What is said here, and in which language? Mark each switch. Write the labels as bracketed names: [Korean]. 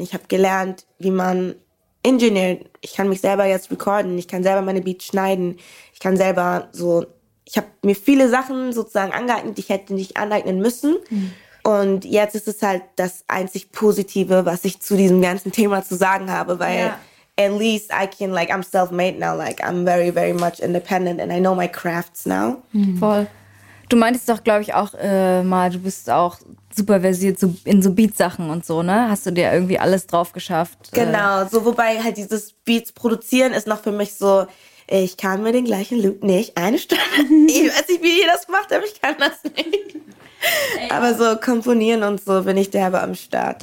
[German] Ich habe gelernt, wie man Engineer. Ich kann mich selber jetzt recorden, ich kann selber meine Beats schneiden, ich kann selber so. Ich habe mir viele Sachen sozusagen angeeignet, die ich hätte nicht aneignen müssen. Mhm. Und jetzt ist es halt das einzig Positive, was ich zu diesem ganzen Thema zu sagen habe, weil ja. [English] At least I can, like, I'm self-made now. Like, I'm very, very much independent and I know my crafts now. [German] Voll. Du meintest doch, glaube ich, auch mal, du bist auch super versiert so in so Beatsachen und so, ne? Hast du dir irgendwie alles drauf geschafft? Genau, so, wobei halt dieses Beats produzieren ist noch für mich so, ich kann mir den gleichen Loop nicht einstellen. Ich weiß nicht, wie ihr das macht, aber ich kann das nicht. Aber so komponieren und so bin ich derbe am Start.